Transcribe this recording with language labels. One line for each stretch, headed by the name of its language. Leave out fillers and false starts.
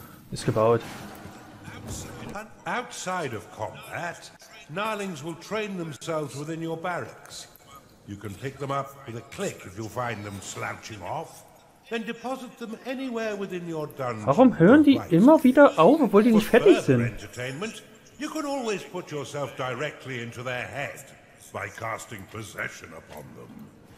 German: Ist gebaut.
English: Outside of combat, gnarlings will train themselves within your barracks. You can pick them up with a click if you find them slouching off. Then deposit them anywhere within your dungeon.
German: Warum hören die immer wieder auf, obwohl die nicht fertig sind?
English: Entertainment, you can always put yourself directly into their head by casting possession upon them.